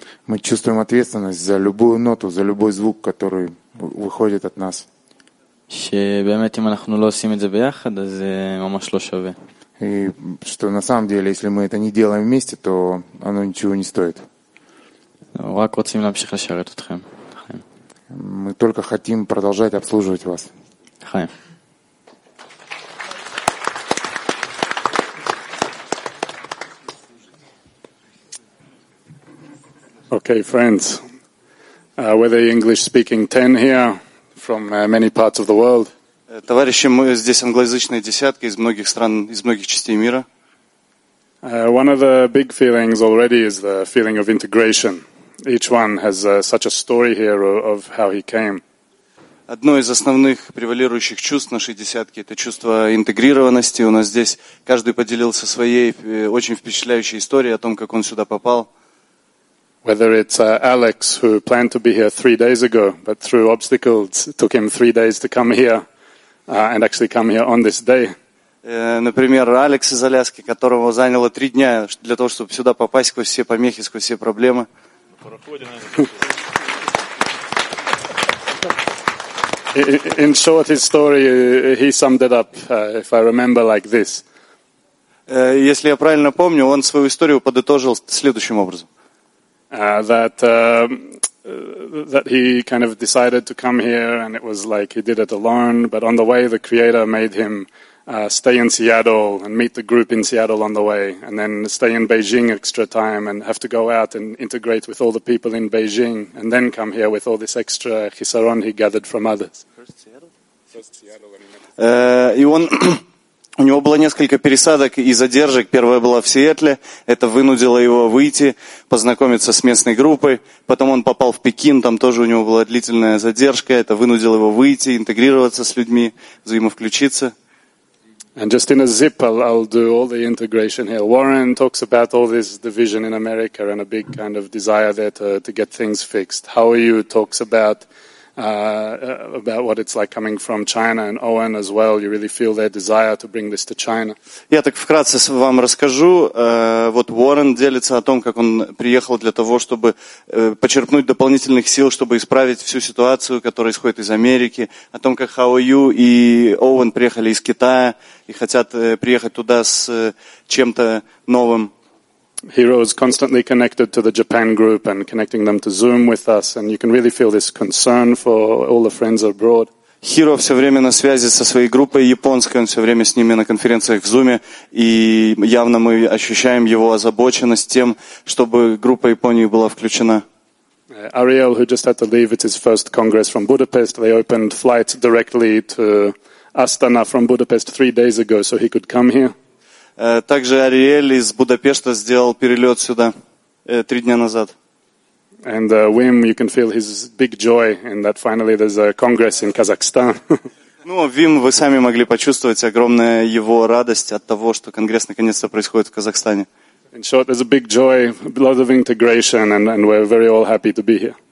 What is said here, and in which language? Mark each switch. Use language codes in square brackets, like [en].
[ru] Мы чувствуем ответственность за любую ноту, за любой звук, который выходит от нас. [he] שבאמת אם אנחנו לא עושים את זה ביחד, אז זה ממש לא שווה. [ru] И что на самом деле, если мы это не делаем вместе, то оно ничего не стоит. [he] רק רוצים להמשיך לשרת אתכם. [ru] Мы только хотим продолжать обслуживать вас. Хай. [en] Okay, friends, we're the English-speaking 10 here from many parts of the world. [ru] Товарищи, мы здесь англоязычные десятки из многих стран, из многих частей мира. [en] One of the big feelings already is the feeling of integration. Each one has such a story here of how he came. [ru] Одно из основных превалирующих чувств нашей десятки – это чувство интегрированности. У нас здесь каждый поделился своей очень впечатляющей историей о том, как он сюда попал. [en] Whether it's Alex, who planned to be here 3 days ago, but through obstacles, it took him 3 days to come here, and actually come here on this day. [ru] Например, Алекс из Аляски, которого заняло 3 дня для того, чтобы сюда попасть сквозь все помехи, сквозь все проблемы. [en] In short, his story, he summed it up, if I remember, like this. [ru] Если я правильно помню, он свою историю подытожил следующим образом. [en] That he kind of decided to come here, and it was like he did it alone. But on the way, the Creator made him stay in Seattle and meet the group in Seattle on the way, and then stay in Beijing extra time and have to go out and integrate with all the people in Beijing, and then come here with all this extra chisaron he gathered from others. First Seattle. [ru] У него было несколько пересадок и задержек. Первая была в Сиэтле. Это вынудило его выйти, познакомиться с местной группой. Потом он попал в Пекин. Там тоже у него была длительная задержка. Это вынудило его выйти, интегрироваться с людьми, взаимовключиться. [en] And just in a zip, I'll do all the integration here. Warren talks about all this division in America and a big kind of desire there to get things fixed. How are you talks about what it's like coming from China, and Owen as well, you really feel their desire to bring this to China. [ru] Я так вкратце вам расскажу. Вот Уоррен делится о том, как он приехал для того, чтобы почерпнуть дополнительных сил, чтобы исправить всю ситуацию, которая исходит из Америки, о том, как Хао Ю и Оуэн приехали из Китая и хотят приехать туда с чем-то новым. [en] Hero is constantly connected to the Japan group and connecting them to Zoom with us, and you can really feel this concern for all the friends abroad. [ru] Hero все время на связи со своей группой японской, он все время с ними на конференциях в Zoom'е, и явно мы ощущаем его озабоченность тем, чтобы группа Японии была включена. [en] Ariel, who just had to leave, it's his first congress from Budapest. They opened flights directly to Astana from Budapest 3 days ago, so he could come here. [ru] Также Ариэль из Будапешта сделал перелет сюда 3 дня назад. [en] And Wim, you can feel his big joy in that finally there's a congress in Kazakhstan. [ru] Ну, Вим, вы сами могли почувствовать огромную его радость от того, что конгресс наконец-то происходит в Казахстане. [en] In short, there's a big joy, a lot of integration, and we're very all happy to be here.